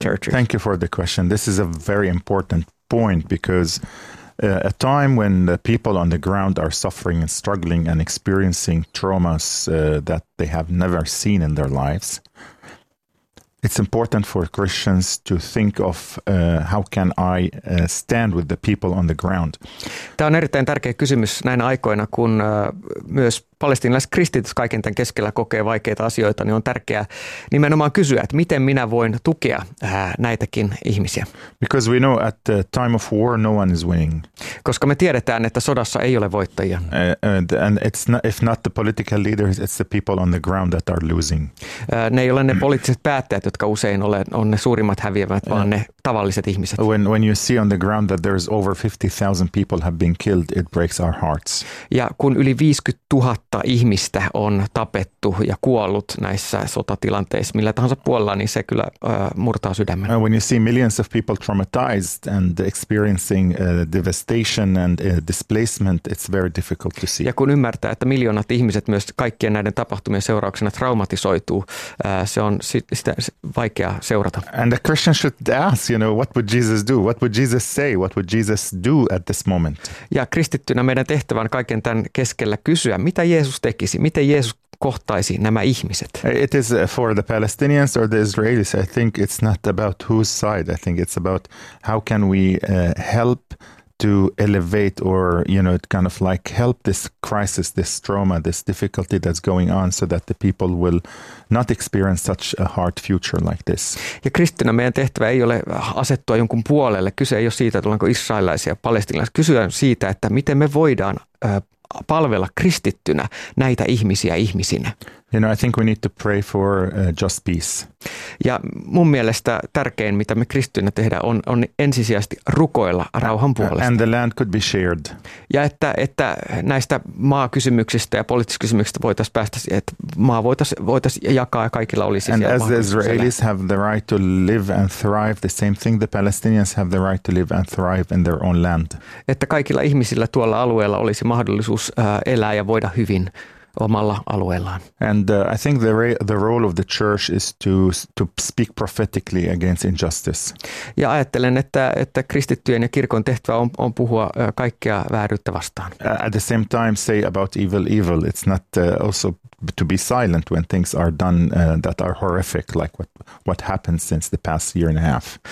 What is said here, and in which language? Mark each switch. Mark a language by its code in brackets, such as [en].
[en] Thank you for the question. This is a very important point, because a time when the people on the ground are suffering and struggling and experiencing traumas that they have never seen in their lives, it's important for Christians to think of how can I stand with the people on the ground. [fi] Tämä on erittäin tärkeä kysymys näinä aikoina, kun myös palestiinalaiskristityt kaiken tämän keskellä kokee vaikeita asioita, niin on tärkeää nimenomaan kysyä, että miten minä voin tukea näitäkin ihmisiä. [en] Because we know at the time of war no one is winning. [fi] Koska me tiedetään, että sodassa ei ole voittajia. [en] And it's not, if not the political leaders, it's the people on the ground that are losing. [fi] Ne ei ole ne poliittiset päättäjät, jotka usein on ne suurimmat häviävät, vaan ne tavalliset ihmiset. [en] When you see on the ground that there's over 50,000 people have been killed, it breaks our hearts. [fi] Ja kun yli 50,000 ihmistä on tapettu ja kuollut näissä sotatilanteissa millä tahansa puolella, niin se kyllä murtaa sydämen. [en] When you see millions of people traumatized and experiencing devastation and displacement, it's very difficult to see. [fi] Ja kun ymmärtää, että miljoonat ihmiset myös kaikkien näiden tapahtumien seurauksena traumatisoituu, se on sitä vaikea seurata. [en] And the Christian should ask, you know, what would Jesus do? What would Jesus say? What would Jesus do at this moment? [fi] Ja kristittynä meidän tehtävän kaiken tämän keskellä kysyä, mitä Jeesus tekisi? Miten Jeesus kohtaisi nämä ihmiset? [en] It is for the Palestinians or the Israelis. I think it's not about whose side. I think it's about how can we help to elevate or, you know, kind of like help this crisis, this trauma, this difficulty that's going on so that the people will not experience such a hard future like this. [fi] Ja kristittynä meidän tehtävä ei ole asettua jonkun puolelle. Kyse ei ole siitä, että ollaanko israelilaisia ja palestinalaisia. Kysyä siitä, että miten me voidaan palvella kristittynä näitä ihmisiä ihmisinä. [en] You know, I think we need to pray for just peace. [fi] Ja mun mielestä tärkein, mitä me kristittynä tehdään, on ensisijaisesti rukoilla rauhan puolesta. [en] And the land could be shared. [fi] Ja että näistä maakysymyksistä ja poliittisista kysymyksistä voitaisiin päästä siihen, että maa voitaisiin jakaa ja kaikilla olisi siellä. [en] And as the Israelis have the right to live and thrive, the same thing the Palestinians have the right to live and thrive in their own land. [fi] Että kaikilla ihmisillä tuolla alueella olisi mahdollisuus elää ja voida hyvin omalla alueellaan. [en] And I think the role of the church is to speak prophetically against injustice. [fi] Ja ajattelen, että kristittyjen ja kirkon tehtävä on puhua kaikkea vääryyttä vastaan. [en] At the same time say about evil evil. It's not also to be silent when things are done that are horrific like what happened since the past year and a half.